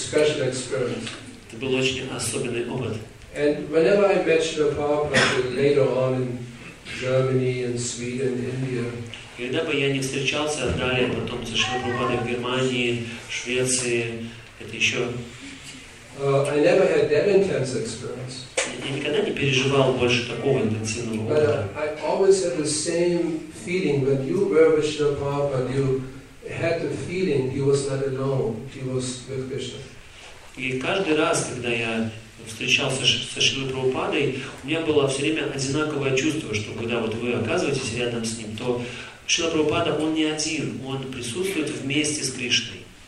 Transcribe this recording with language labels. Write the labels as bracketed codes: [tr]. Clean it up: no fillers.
[ru] Это был очень особенный опыт. [en] And whenever I met Shri Prabhupada later on in Germany and Sweden, India. [ru] Когда бы я не встречался далее потом со Шри Прабхупадой в Германии, Швеции, это еще. [en] I never had that intense experience. [ru] Я никогда не переживал больше такого интенсивного опыта. [en] But I always had the same feeling when you were with Shri Prabhupada, you had the feeling he was not alone, he was with Krishna. [ru] И каждый раз, когда я встречался со Шрилой Прабхупадой, у меня было все время одинаковое чувство, что когда вот вы оказываетесь рядом с ним, то Шрила Прабхупада, он не один, он присутствует вместе с Кришной.